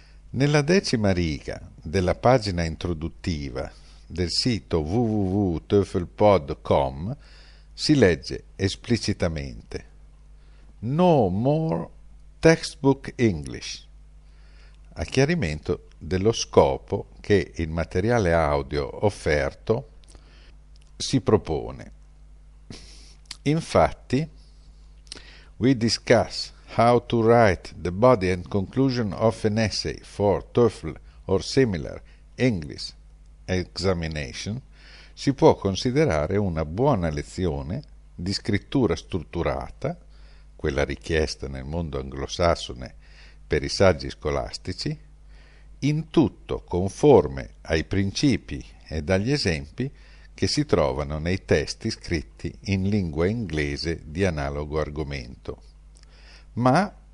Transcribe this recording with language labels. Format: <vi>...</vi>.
<it>Nella decima riga della pagina introduttiva del sito www.toefelpod.com si legge esplicitamente:</it> <en>No more textbook English,</en> <it>a chiarimento dello scopo che il materiale audio offerto si propone. Infatti,</it> <en>we discuss how to write the body and conclusion of an essay for TOEFL or similar English examination.</en> <it>Si può considerare una buona lezione di scrittura strutturata, quella richiesta nel mondo anglosassone per i saggi scolastici, in tutto conforme ai principi e agli esempi che si trovano nei testi scritti in lingua inglese di analogo argomento, ma</it>